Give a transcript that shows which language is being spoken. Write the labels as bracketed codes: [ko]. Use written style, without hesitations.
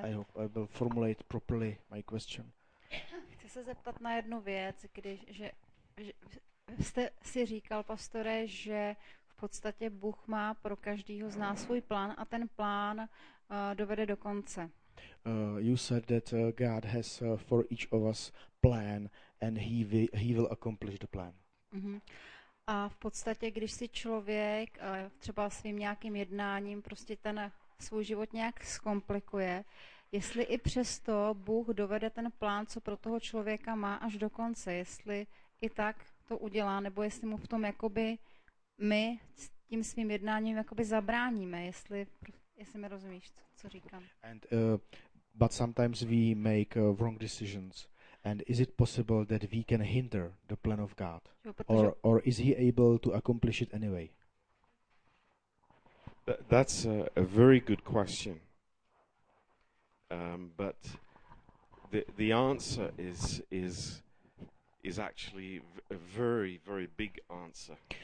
[en] I hope I will formulate properly my question. [cs] Chci se zeptat na jednu věc, že jste si říkal, pastore, že v podstatě Bůh má pro každého z nás svůj plán a ten plán dovede do konce. [en] You said that God has for each of us plan and he will accomplish the plan. Uhum. [cs] A v podstatě, když si člověk třeba svým nějakým jednáním prostě ten svůj život nějak zkomplikuje, jestli i přesto Bůh dovede ten plán, co pro toho člověka má až do konce, jestli i tak to udělá, nebo jestli mu v tom jakoby my s tím svým jednáním jakoby zabráníme, jestli mi rozumíš, co říkám. [en] And, but sometimes we make wrong decisions. And is it possible that we can hinder the plan of God? [cs] Jo, [en] or is he able to accomplish it anyway? That's a very good question. But the answer is actually a very, very big answer.